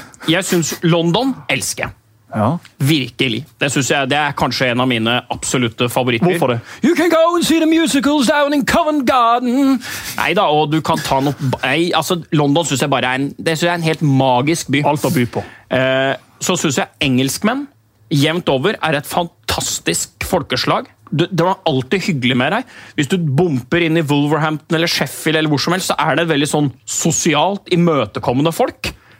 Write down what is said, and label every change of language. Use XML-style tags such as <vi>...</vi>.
<no>Jeg synes London elsker jeg. Ja. Virkelig. Det synes jeg, det er kanskje en av mine absolutte favoritter. Hvorfor det?</no> <en>You can go and see the musicals down in Covent Garden.</en> <no>Neida, og du kan ta noe... Nei, altså, London synes jeg bare er en... Det synes jeg er en helt magisk by. Alt å by på. Så synes jeg engelskmenn, jevnt over, er et fantastisk folkeslag. Det var alltid hyggelig med deg. Hvis du bumper inn i Wolverhampton eller Sheffield eller hvor som helst, så er det veldig sånn sosialt imøtekommende folk.</no>